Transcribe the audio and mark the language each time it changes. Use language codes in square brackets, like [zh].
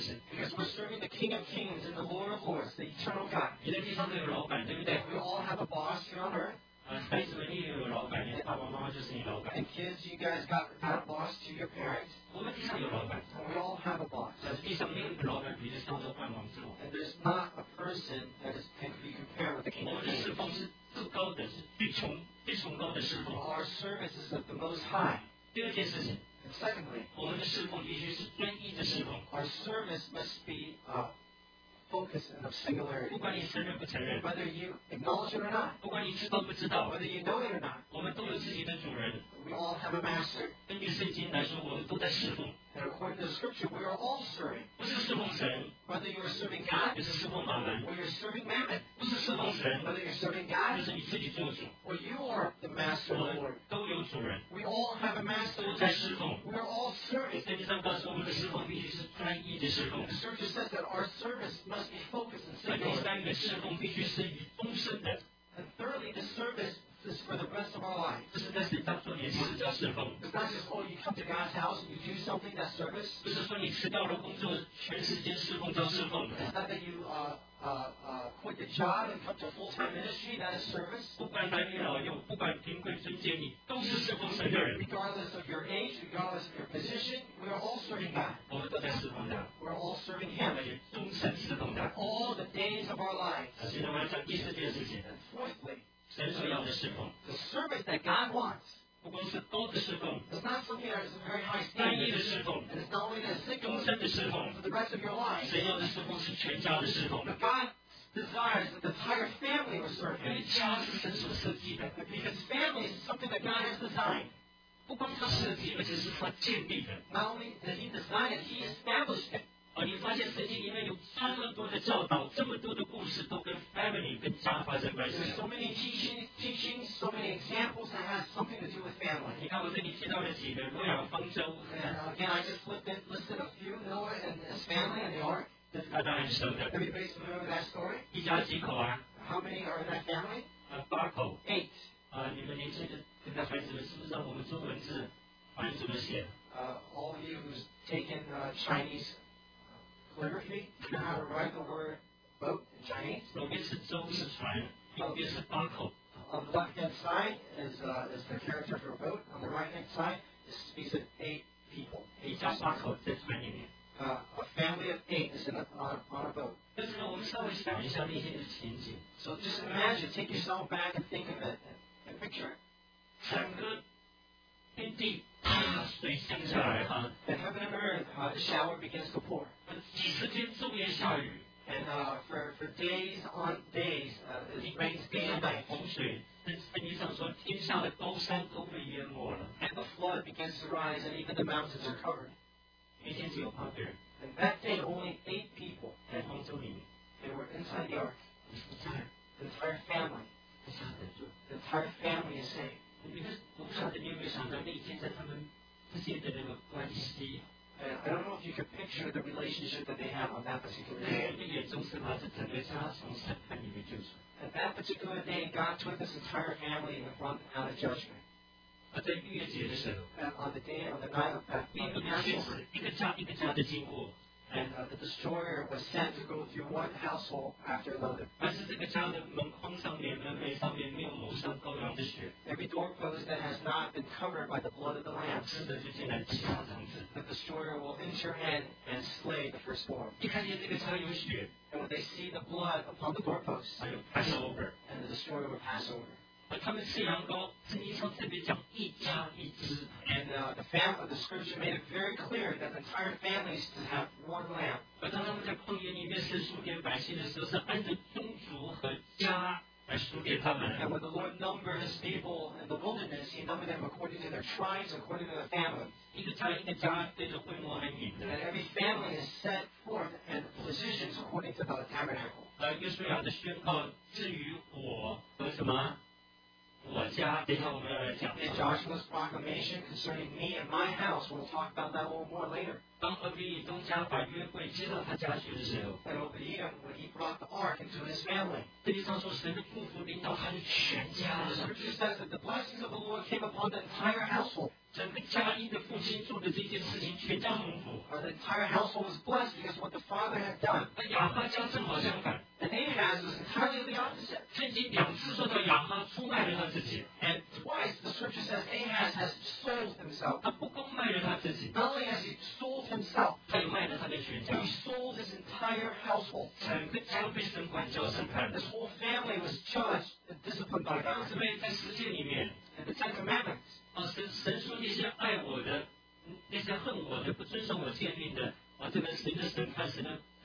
[en] Because we're serving the King of Kings and the Lord of Lords, the Eternal God. [ko] 이 땅 위상의 [zh] 老板, 对不对? [en] We all have a boss here on earth. [zh] 孩子们，你也有老板，你的爸爸妈妈就是你老板。 [en] And kids, you guys got a boss to your parents. [zh] 我们地上有老板。 [en] We all have a boss. [zh] 但是地上没有一个老板比这上头万王之王。 [en] And there's not a person that is can be compared with the king. [zh] 我们的侍奉是最高的，是最崇最崇高的侍奉。 [en] Our service is of the most high. [zh] 第二件事情。 [en] And secondly, [zh] 我们的侍奉必须是专一的侍奉。 [en] Our service must be focus and of singularity. [zh] 不管你承认不承认 [en] whether you acknowledge it or not, [zh] 不管你知道不知道 [en] whether you know it or not, [zh] 我们都有自己的主人 [en] we all have a master. [zh] 根据圣经来说，我们都在侍奉 [en] and according to the scripture, we are all serving. [zh] 不是侍奉神 [en] whether you are serving God, [zh] 也是侍奉马门 [en] or you are serving mammon. [zh] 不是侍奉神 [en] whether you are serving God, [zh] 就是你自己做主 [en] or you are the master of the Lord. [zh] 都有主人 [en] we all have a master. [zh] 都在侍奉 [en] we are all serving. [zh] 圣经上告诉我们的侍奉必须是专一的侍奉 [en] the scripture says that our service must [zh] 而第三个侍奉必须是以终身的。 [en] And thirdly, the service is for the rest of our life. [zh] 不是在神家做点事叫侍奉。 [en] It's not just, oh, you come to God's house and you do something that's service. [zh] 不是说你辞掉了工作，全时间侍奉叫侍奉。 [en] It's not that you quit the job and come to full-time ministry. That is service. [zh] 不管男女老幼，不管贫贵尊贱，你都是侍奉神的人。 [en] Regardless of your age, regardless of your position, we are all serving God. [zh] 我们都在侍奉他。 [en] We're all serving Him. [zh] 也终身侍奉他。 [en] All the days of our lives. [zh] 而且我们讲第四件事情。 [en] And fourthly. [zh] 神所要的侍奉 [en] The service that God wants [zh] 不光是高的侍奉 [en] It's not something that is a very high standard [zh] 单一的侍奉 [en] And it's not only that single [zh] 终身的侍奉 [en] For the rest of your life [zh] 神要的侍奉是全家的侍奉 [en] But God desires that the entire family will serve Him [zh] 因为家是神所设计的 [en] Because family is something that God has designed [zh] 不光他设计而且是他建立的 [en] Not only that He designed it, He established it [zh] 你发现圣经里面有这么多的教导，这么多的故事，都跟 family 跟家发生关系。 [en] So many teachings, so many examples that has something to do with family. [zh] 你看我这里提到了几个诺亚方舟。 [en] Again, I just listed a few Noah and his family and the ark. [zh] 这是他当然熟的。 [en] Everybody's familiar with that story. [zh] 一家几口啊 [en] ？How many are in that family? [zh] 八口。 [en] Eight. [zh] 你们年轻的现在孩子们，是不是让我们中文字，翻译怎么写 [en] ？All of you who's taken Chinese. Calligraphy, you know how to write the word boat in Chinese? [zh] 左边是舟是船，右边是八口。 [en] On the left hand side is the character for boat. On the right hand side, this speaks of eight people. [zh] 一家八口在船里面。 [en] A family of eight is on a boat. [zh] 但是呢，我们稍微想一下那些的情景。 [en] So just imagine, take yourself back and think of it, and picture it. [zh] 整个天地。水降下来哈 [en] The heaven and earth, the shower begins to pour. [zh] 几十天昼夜下雨 [en] And for days on days, it rains day and night. [zh] 洪水，圣经上说天下的高山都被淹没了 [en] And the flood begins to rise, and even the mountains are covered. [zh] 一天只有八个人 [en] And that day, only eight people [zh] 在方舟里面 [en] They were inside the ark. The entire family. The entire family is saved. [zh] 我不晓得你有没有想到那一天在他们之间的那个关系。 [en] I don't know if you can picture the relationship that they have on that particular day. [zh] 眼中是把这整个家从审判里面救出。 [en] At that particular day, God took this entire family and brought them out of judgment. [zh] 啊，在逾越节的时候。 [en] On the day on the night of that. [zh] 一个家一个家一个家的经过。 [en] And the destroyer was sent to go through one household after another. [zh] 但是这个家的门框上面、门楣上面没有抹上羔羊的血。 [en] Every doorpost that has not been covered by the blood of the lamb. [zh] 吃的就进来其他房子。 [en] The destroyer will enter in and slay the firstborn. [zh] 一看见这个家有血。 [en] And when they see the blood upon the doorpost. [zh] 还有 Passover. [en] And the destroyer will pass over. [zh] 而他们吃羊羔，圣经上特别讲一家一只。 [en] And the family, the scripture made it very clear that the entire family is to have one lamb. [zh] 而当他们在旷野里面是数点百姓的时候，是按照宗族和家来数点他们。 [en] And when the Lord numbered his people in the wilderness, he numbered them according to their tribes, according to their families. [zh] 一个家一个家对着会幕安营。 [en] And every family is set forth and positions according to the tabernacle. [zh] 约书亚的宣告，至于我和什么？我家，接下来我们要来讲。 [en] And Joshua's proclamation concerning me and my house, we'll talk about that a little more later. [zh] 当俄比东家把约柜接到他家去的时候 [en] ，And Obadiah when he brought the ark into his family. [zh] 这地上说神的祝福临到他的全家。 [en] The scripture says that the blessings of the Lord came upon the entire household. [zh] 整个家因着父亲做的这件事情，全家蒙福。 [en] Our entire household was blessed because what the father had done. [zh] 那亚哈家正好相反。 [en] And Ahaz was entirely the opposite. [zh] 圣经两次说到亚哈出卖了他自己。 [en] And twice the scripture says Ahaz has sold himself. [zh] 他不光卖了他自己。 [en] Not only has he sold himself, [zh] 他也卖了他的全家。 [en] He sold his entire household. [zh] 整个家被神管教审判。 [en] This whole family was judged and disciplined by God. [zh] 这边在十诫里面。 [en] And the Ten Commandments. [zh] 哦，神说那些爱我的，那些恨我的，不遵守我诫命的，哦，这边神的审判，神的。